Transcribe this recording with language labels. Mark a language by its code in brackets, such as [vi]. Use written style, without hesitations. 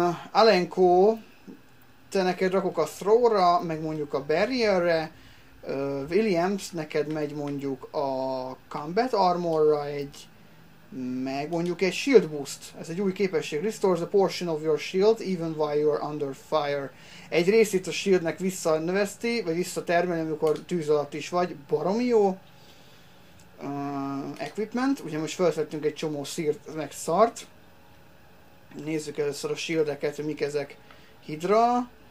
[hu] Alenko, te neked rakok a Throw-ra, meg mondjuk a Barrier-re. Williams, neked megy mondjuk a Combat Armor-ra egy, meg mondjuk egy Shield Boost. Ez egy új képesség. [en] Restores a portion of your shield, even while you're under fire. [hu] Egy részét a shieldnek visszanöveszti, vagy visszatermeli, amikor tűz alatt is vagy. Baromi jó. Equipment. Ugye most felszettünk egy csomó szírt, meg szart. Nézzük először a shieldeket, hogy mik ezek. Hydra.